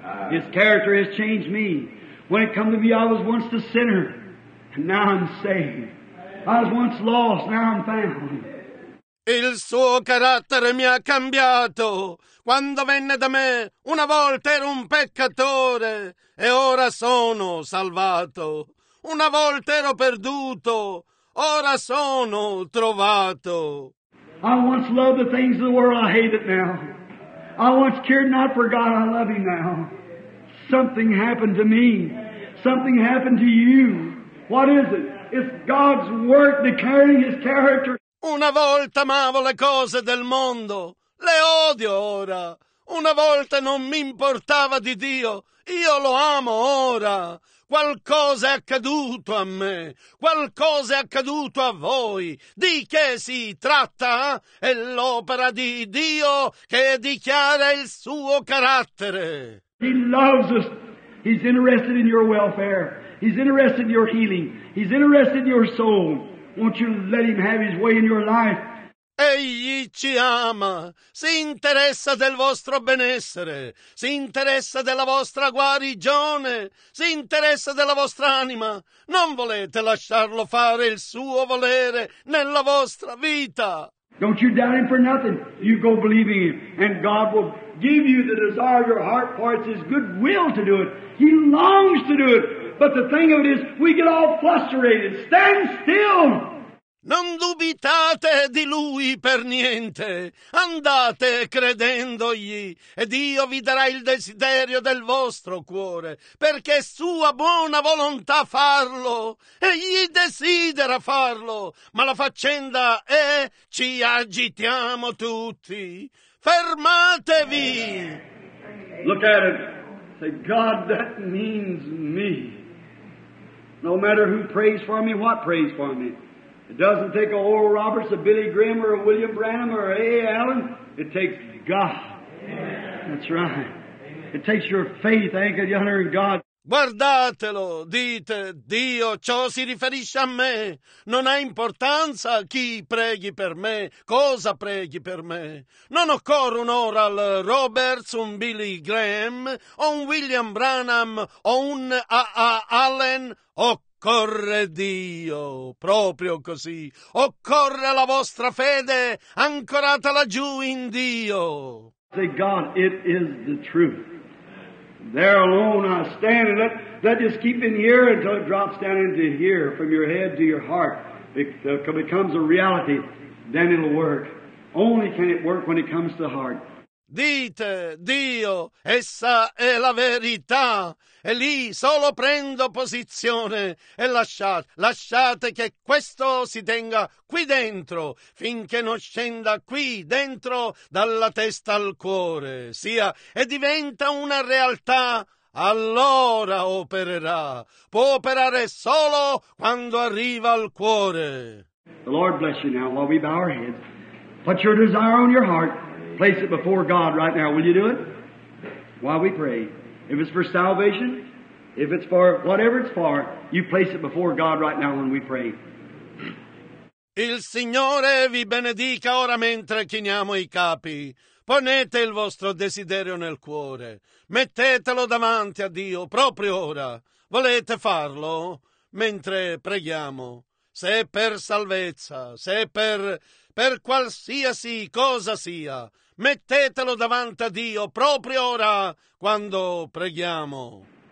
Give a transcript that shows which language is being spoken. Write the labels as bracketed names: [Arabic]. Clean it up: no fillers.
[English] His character has changed me. When it come to me, I was once the sinner. Now I'm saved. I was once lost, now I'm found. [Italian] Il suo carattere mi ha cambiato. Quando venne da me, una volta ero un peccatore e ora sono salvato. Una volta ero perduto, ora sono trovato. [English] I once loved the things of the world, I hate it now. I once cared not for God, I love him now. Something happened to me. Something happened to you. What is it? It's God's work declaring his character. [Italian] Una volta amavo le cose del mondo, le odio ora. Una volta non mi importava di Dio, io lo amo ora. qualcosa è accaduto a me, qualcosa è accaduto a voi. Di che si tratta? È l'opera di Dio che dichiara il suo carattere. [English] He loves us. He's interested in your welfare. He's interested in your healing. He's interested in your soul. Won't you let him have his way in your life? [Italian] Egli ci ama, si interessa del vostro benessere, si interessa della vostra guarigione, si interessa della vostra anima. Non volete lasciarlo fare il suo volere nella vostra vita. [English] Don't you doubt him for nothing. You go believing him, and God will give you the desire of your heart, for it's his good will to do it. He longs to do it. But the thing of it is, we get all frustrated. Stand still! [Italian] Non dubitate di lui per niente. Andate credendogli e Dio vi darà il desiderio del vostro cuore, perché è sua buona volontà farlo. Egli desidera farlo, ma la faccenda è: ci agitiamo tutti. Fermatevi! [English] Look at it. Say, God, that means me. No matter who prays for me, what prays for me. It doesn't take a Oral Roberts, a Billy Graham, or a William Branham, or A. Allen. It takes God. Amen. That's right. Amen. It takes your faith anchored yonder in God. [Italian] Guardatelo, dite, Dio, ciò si riferisce a me. Non ha importanza chi preghi per me, cosa preghi per me. Non occorre un Oral Roberts, un Billy Graham, o un William Branham, o un A. Allen, o corre Dio, proprio così. Occorre la vostra fede ancorata laggiù in Dio. [English] Say, God, it is the truth. There alone I stand. Let just keep in here until it drops down into here, from your head to your heart. It becomes a reality. Then it'll work. Only can it work when it comes to the heart. [Italian] Dite, Dio, essa è la verità, e lì solo prendo posizione, e lasciate che questo si tenga qui dentro, finché non scenda qui dentro, dalla testa al cuore, sia, e diventa una realtà, allora opererà. Può operare solo quando arriva al cuore. [English] The Lord bless you now while we bow our heads. Put your desire on your heart. Place it before God right now. Will you do it? While we pray. If it's for salvation, if it's for whatever it's for, you place it before God right now when we pray. [Italian] Il Signore vi benedica ora mentre chiniamo i capi. Ponete il vostro desiderio nel cuore. Mettetelo davanti a Dio proprio ora. Volete farlo? Mentre preghiamo. Se per salvezza, se per qualsiasi cosa sia, mettetelo davanti a Dio proprio ora quando preghiamo.